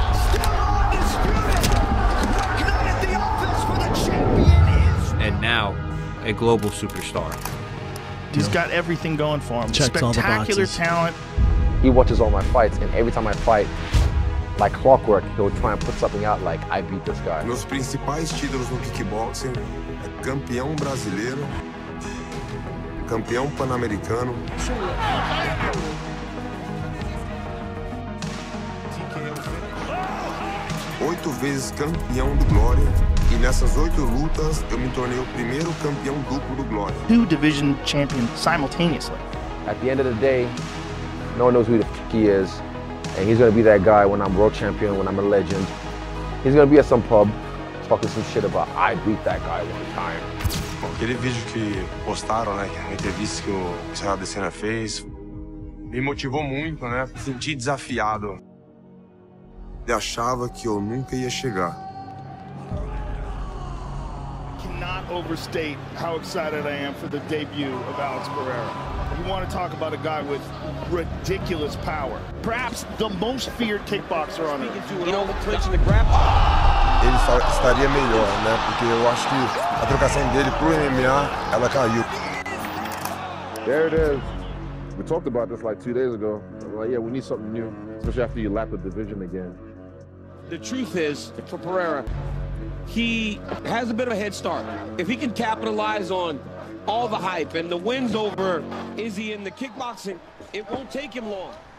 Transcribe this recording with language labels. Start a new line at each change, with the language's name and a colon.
English: Still undisputed, working out at the office for the champion is... And now, a global superstar. He's got everything going for him. Checks spectacular talent. He watches all my fights, and every time I fight, like clockwork, he'll try and put something out like, I beat this guy.
Portuguese: Meus principais títulos no kickboxing é campeão brasileiro, campeão pan-americano. Oito vezes campeão do Glória. E nessas oito lutas, eu me tornei o primeiro campeão duplo do Glória.
English: Two division champion simultaneously. At the end of the day, no one knows who the f*** he is. And he's gonna be that guy when I'm world champion, when I'm a legend. He's gonna be at some pub talking some shit about I beat that guy one time.
Portuguese: Bom, aquele vídeo que postaram, né, a entrevista que o Israel Adesanya fez, me motivou muito, né? Senti desafiado. ele achava que eu nunca ia chegar.
English: I cannot overstate how excited I am for the debut of Alex Pereira. You want to talk about a guy with ridiculous power. Perhaps the most feared kickboxer on earth. You know, the clinch and the grapple.
Portuguese: Ele estaria melhor, né? Porque eu acho que a trocação dele pro MMA, ela caiu.
English: There it is. We talked about this like 2 days ago. Like, yeah, we need something new, especially after you lap the division again. The truth is, for Pereira, he has a bit of a head start. If he can capitalize on all the hype and the wins over Izzy in the kickboxing, it won't take him long.